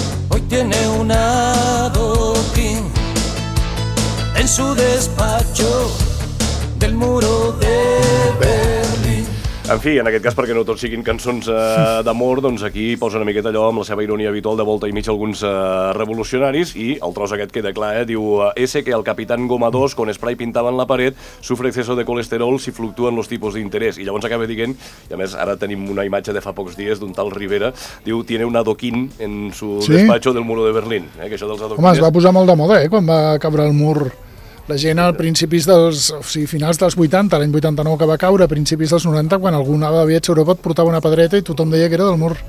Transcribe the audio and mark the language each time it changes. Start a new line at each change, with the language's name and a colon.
Spanish: Hoy tiene un adoquín en su despacho del muro de Berlín.
Catalan: En fi, en aquest cas, perquè no tots siguin cançons d'amor, doncs aquí posa una miqueta allò amb la seva ironia habitual de volta i mig alguns revolucionaris, i el tros aquest queda clar, eh? Diu,
Spanish: ese que el capitán Gomadós, con spray
Catalan: pintava en la paret,
Spanish: sufre exceso de colesterol si fluctúan los tipos
Catalan: d'interès. I llavors acaba dient, i a més ara tenim una imatge de fa pocs dies d'un tal Rivera, diu,
Spanish: tiene un adoquín en su despacho del muro de Berlín.
Catalan: Que això dels adoquines... Home, es va posar molt de moda, quan va caure el mur... La gent al principis dels, o sigui, finals dels 80, l'any 89 que va caure, a principis dels 90, quan algú anava de viatge a Europa et portava una pedreta i tothom deia que era del mur.